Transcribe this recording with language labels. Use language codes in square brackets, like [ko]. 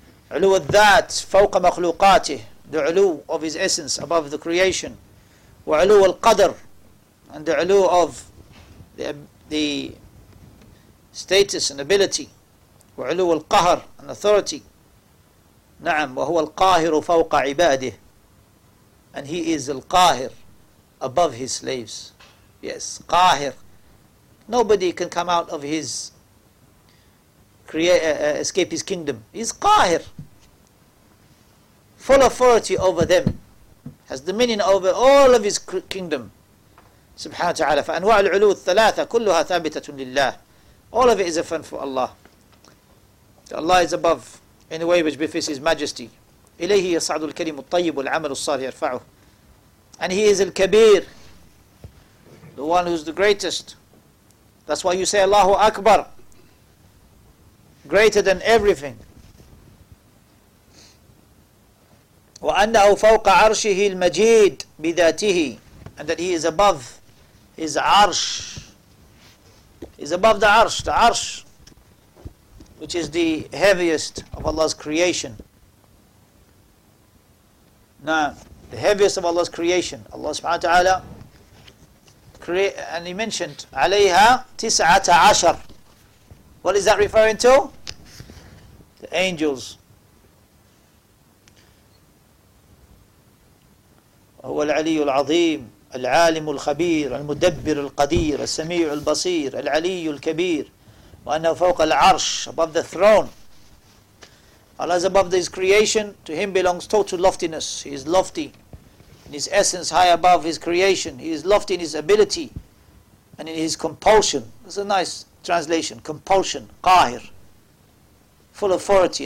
[ar] عُلُوُ الذَّاتِ فَوْقَ مَخْلُوقَاتِهِ. [en] The ulu of his essence above the creation. [ar] وَعُلُوُ الْقَدَرِ. [en] And the ulu of the status and ability. [ar] وعلو القهر [en] and authority. [ar] نعم وهو القاهر فوق عباده. [en] And he is القاهر above his slaves. Yes, قاهر. Nobody can come out of his, escape his kingdom. He's قاهر. Full authority over them. Has dominion over all of his kingdom. [ar] سبحانه وتعالى فأنواع العلو الثلاثة كلها ثابتة لله. [en] All of it is a fun for Allah. Allah is above in a way which befits His Majesty. [ar] إليه يصعد الكلم الطيب والعمل الصالح يرفعه. [en] And He is الكبير, the one who is the greatest. That's why you say [ar] الله أكبر, [en] greater than everything. [ar] وأنه فوق عرشه المجيد بذاته. [en] And that He is above His arsh, is above the arsh, which is the heaviest of Allah's creation. Now, the heaviest of Allah's creation, Allah subhanahu wa ta'ala, and He mentioned, [ar] عَلَيْهَا تِسْعَةَ عَشَرْ. [en] What is that referring to? The angels. [ar] وَهُوَ الْعَلِيُّ الْعَظِيمُ العالم الخبير المدبر القدير السميع البصير العلي الكبير وأنه فوق العرش [en] above the throne. Allah is above His creation. To Him belongs total loftiness. He is lofty in His essence, high above His creation. He is lofty in His ability and in His compulsion. That's a nice translation. Compulsion, قاهر, full authority.